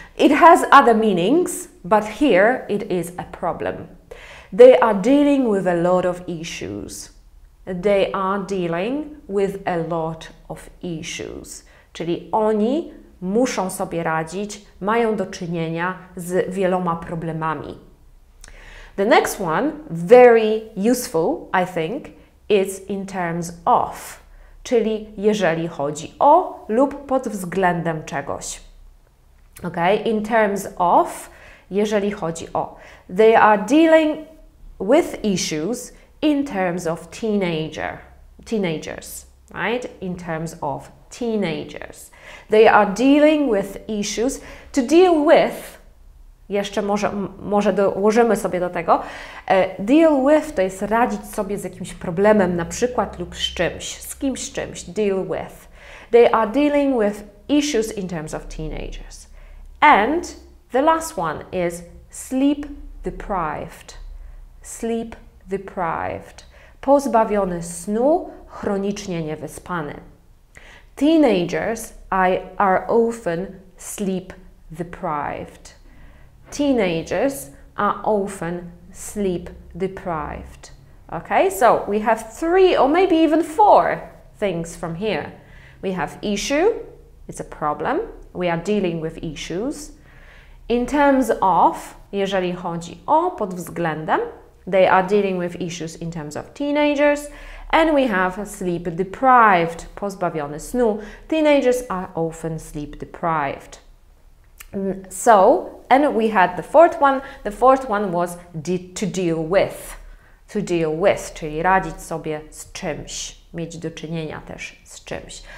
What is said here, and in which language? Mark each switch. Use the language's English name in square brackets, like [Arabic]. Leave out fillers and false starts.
[English] It has other meanings, but here it is a problem. They are dealing with a lot of issues. They are dealing with a lot of issues. [Polish] Czyli oni muszą sobie radzić, mają do czynienia z wieloma problemami. [English] The next one, very useful, I think, is in terms of. [Polish] Czyli jeżeli chodzi o lub pod względem czegoś. [English] Okay, in terms of, [Polish] jeżeli chodzi o. [English] They are dealing with issues in terms of teenagers, right? In terms of teenagers. They are dealing with issues. To deal with, [Polish] jeszcze może dołożymy sobie do tego. Deal with to jest radzić sobie z jakimś problemem na przykład lub z czymś. Z kimś, deal with. [English] They are dealing with issues in terms of teenagers. And the last one is sleep deprived. Sleep deprived. [Polish] Pozbawiony snu, chronicznie niewyspany. [English] Teenagers are often sleep deprived. Teenagers are often sleep deprived. Okay, so we have three or maybe even four things from here. We have issue, it's a problem. We are dealing with issues. In terms of, [Polish] jeżeli chodzi o, pod względem, [English] they are dealing with issues in terms of teenagers. And we have sleep deprived, [Polish] pozbawiony snu. [English] Teenagers are often sleep deprived. So, and we had the fourth one. The fourth one was to deal with, [Polish] czyli radzić sobie z czymś, [English] mieć do czynienia też z czymś.